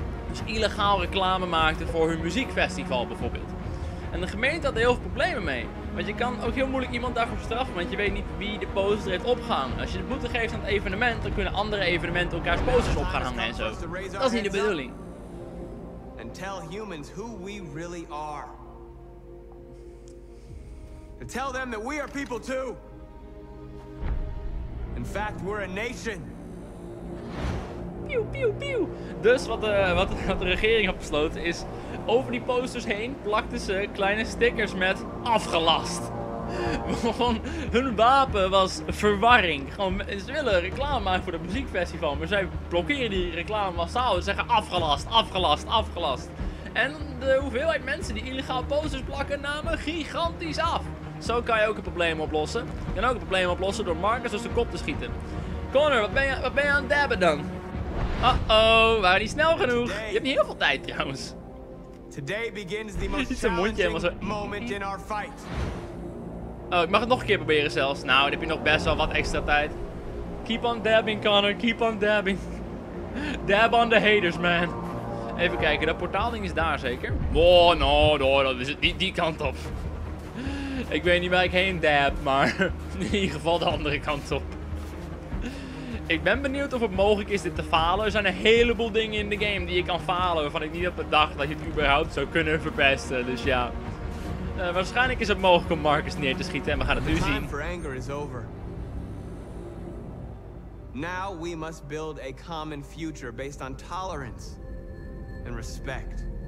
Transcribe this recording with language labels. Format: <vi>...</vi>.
<nl>Dus illegaal reclame maakten voor hun muziekfestival bijvoorbeeld. En de gemeente had er heel veel problemen mee. Want je kan ook heel moeilijk iemand daarvoor straffen, want je weet niet wie de poster heeft opgehangen. Als je de boete geeft aan het evenement, dan kunnen andere evenementen elkaars posters op gaan hangen en zo. Dat is niet de bedoeling.</nl> <en>En tell humans who we really are. And tell them that we are people too. In fact, we're a nation. Pew, pew, pew.</en> <nl>Dus wat de regering had besloten is, over die posters heen plakten ze kleine stickers met afgelast. Gewoon, hun wapen was verwarring. Gewoon, ze willen reclame maken voor het muziekfestival, maar zij blokkeren die reclame massaal. Ze zeggen afgelast, afgelast, afgelast. En de hoeveelheid mensen die illegaal posters plakken namen gigantisch af. Zo kan je ook een probleem oplossen. Je kan ook een probleem oplossen door Marcus als de kop te schieten. Connor, wat ben je aan het dabben dan? Uh-oh, we waren niet snel genoeg. Je hebt niet heel veel tijd trouwens.</nl> <en>Today begins the most challenging moment in our fight.</en> <nl>Oh, ik mag het nog een keer proberen zelfs. Nou, dan heb je nog best wel wat extra tijd.</nl> <en>Keep on dabbing, Connor. Keep on dabbing. Dab on the haters, man.</en> <nl>Even kijken, dat portaalding is daar zeker?</nl> <en>Oh, no, no,</en> <nl>dat is die kant op. Ik weet niet waar ik heen dab, maar in ieder geval de andere kant op. Ik ben benieuwd of het mogelijk is dit te falen. Er zijn een heleboel dingen in de game die je kan falen, waarvan ik niet had bedacht dat je het überhaupt zou kunnen verpesten. Dus ja, waarschijnlijk is het mogelijk om Marcus neer te schieten en we gaan het nu zien.</nl> <en>Time for anger is over. Now we must build a common future based on tolerance and respect.</en>